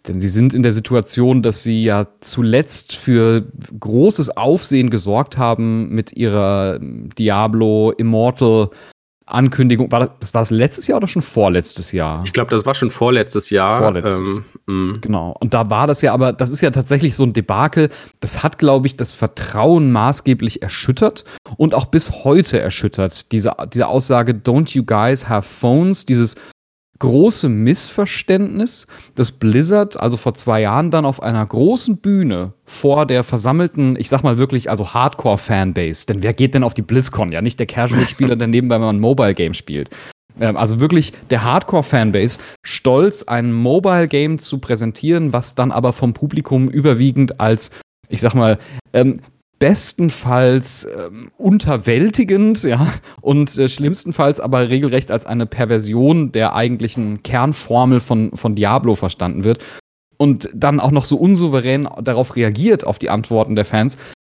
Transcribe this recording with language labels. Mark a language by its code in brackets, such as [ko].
[de] Denn sie sind in der Situation, dass sie ja zuletzt für großes Aufsehen gesorgt haben mit ihrer Diablo Immortal Ankündigung. War das letztes Jahr oder schon vorletztes Jahr? Ich glaube, das war schon vorletztes Jahr. Genau. Und da war das ja aber, das ist ja tatsächlich so ein Debakel. Das hat, glaube ich, das Vertrauen maßgeblich erschüttert und auch bis heute erschüttert. Diese Aussage, [en] don't you guys have phones? [de] Dieses große Missverständnis, dass Blizzard also vor zwei Jahren dann auf einer großen Bühne vor der versammelten, ich sag mal wirklich, also Hardcore-Fanbase, denn wer geht denn auf die BlizzCon? Ja, nicht der Casual-Spieler daneben, wenn man ein Mobile-Game spielt. Also wirklich der Hardcore-Fanbase, stolz ein Mobile-Game zu präsentieren, was dann aber vom Publikum überwiegend als, ich sag mal, bestenfalls unterwältigend, ja, und schlimmstenfalls aber regelrecht als eine Perversion der eigentlichen Kernformel von Diablo verstanden wird und dann auch noch so unsouverän darauf reagiert, auf die Antworten der Fans.